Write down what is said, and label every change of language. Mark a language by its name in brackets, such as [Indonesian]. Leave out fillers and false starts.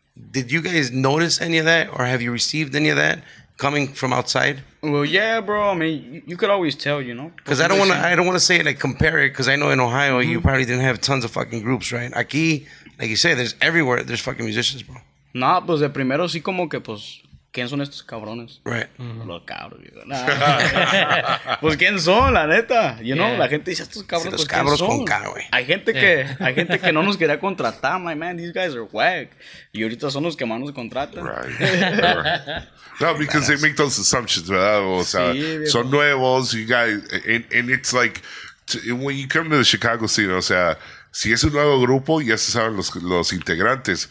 [English] Did you guys notice any of that or have you received any of that coming from outside? Well, yeah, bro. I mean, you could always tell, you know. Because I don't want to say like compare it because I know in Ohio you probably didn't have tons of fucking groups, right? Aquí, like you say, there's everywhere. There's fucking musicians, bro. [Spanish] Nah, pues de primero sí como que pues... ¿Quién son estos cabrones? [English] Right. [Spanish] Mm-hmm. Los cabros. Digo, nah. Pues, ¿quién son, la neta? [English] You know, [Spanish] la gente dice, estos cabros, si pues, ¿quién cabros son? Con cara, güey. Hay gente que no nos quería contratar. [English] My man, these guys are whack. [Spanish] Y ahorita son los que más nos contratan. [English] Right. No, because they make those assumptions, ¿verdad? [Spanish] O sea, sí, son nuevos, [English] you guys. And it's like, when you come to the Chicago scene, [Spanish] o sea... Si es un nuevo grupo, ya se saben los integrantes.